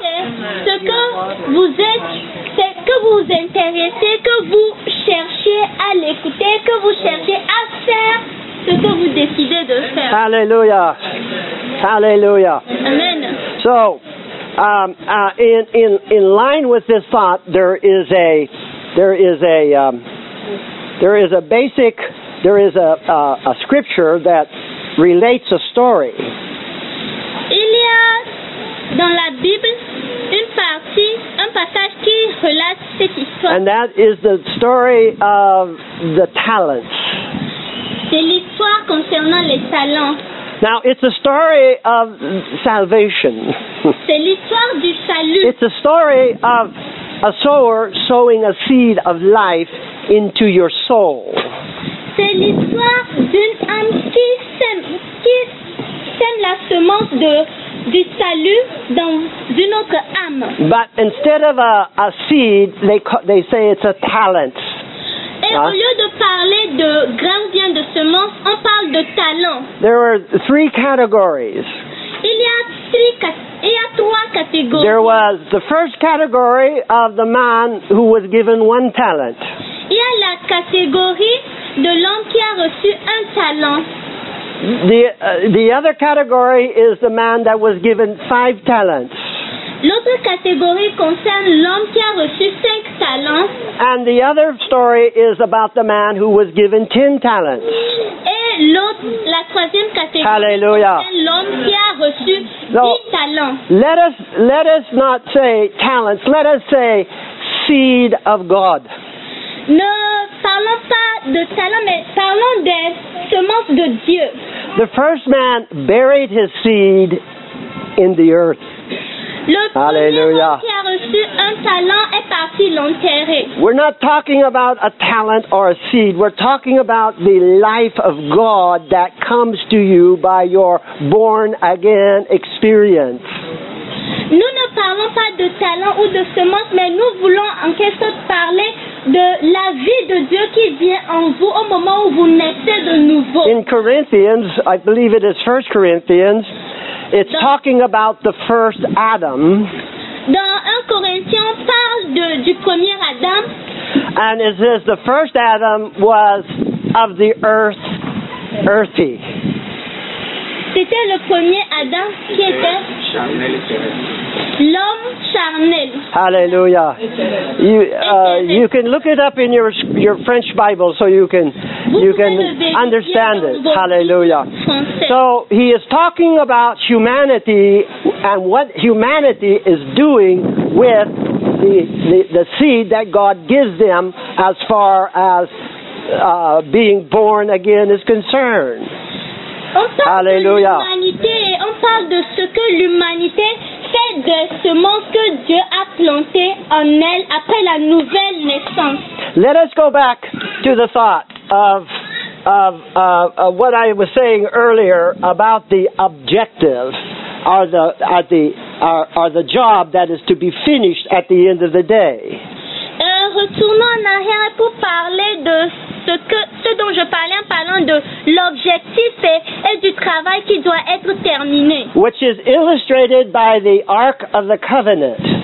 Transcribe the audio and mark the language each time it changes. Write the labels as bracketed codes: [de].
[fr] Important, c'est ce que vous êtes, c'est que vous intéressez, que vous cherchez à l'écouter, que vous cherchez à faire ce que vous décidez de faire. [en] Hallelujah. Hallelujah. Amen. So, in line with this thought, there is a scripture that relates a story. [fr] Il y a dans la Bible une partie, un passage qui relate cette histoire. [en] And that is the story of the talents. [fr] C'est l'histoire concernant les talents. [en] Now, it's a story of salvation. [fr] C'est l'histoire du salut. [en] It's a story of a sower sowing a seed of life into your soul. [fr] C'est l'histoire d'une âme qui sème la semence du salut dans une autre âme. [en] But instead of a seed, they say it's a talent. [fr] Au lieu de parler de grains bien de semences, on parle de talents. [en] There are three categories. [fr] Il y a trois catégories. [en] There was the first category of the man who was given one talent. [fr] Il y a la catégorie de l'homme qui a reçu un talent. [en] The other category is the man that was given five talents. [fr] L'autre catégorie concerne l'homme qui a reçu cinq talents. [en] And the other story is about the man who was given 10 talents. [fr] Et la troisième catégorie Hallelujah. Concerne l'homme qui a reçu 10 talents. [en] Let us not say talents. Let us say seed of God. [fr] Ne parlons pas de talents, mais parlons des semences de Dieu. [en] The first man buried his seed in the earth. Hallelujah. [fr] Qui a reçu un talent est parti l'enterrer. [en] We're not talking about a talent or a seed. We're talking about the life of God that comes to you by your born again experience. [fr] Nous ne parlons pas de talent ou de semence, mais nous voulons en quelque sorte parler de la vie de Dieu qui vient en vous au moment où vous naissez de nouveau. [en] In Corinthians, I believe it is 1 Corinthians. It's talking about the first Adam. [fr] Dans 1 Corinthiens, on parle du premier Adam. [en] And it says the first Adam was of the earth, earthy. [fr] C'était le premier Adam qui était l'homme charnel. [en] Hallelujah. You can look it up in your French Bible so you can... You can understand it. Hallelujah. So he is talking about humanity and what humanity is doing with the seed that God gives them as far as being born again is concerned. Hallelujah. [fr] On parle de ce que l'humanité fait de semence que Dieu a planté en elle après la nouvelle naissance. [en] Let us go back to the thought of what I was saying earlier about the objective or the job that is to be finished at the end of the day. [fr] Retournons en arrière pour parler de ce dont je parlais en parlant de l'objectif et du travail qui doit être terminé. [en] Which is illustrated by the Ark of the Covenant.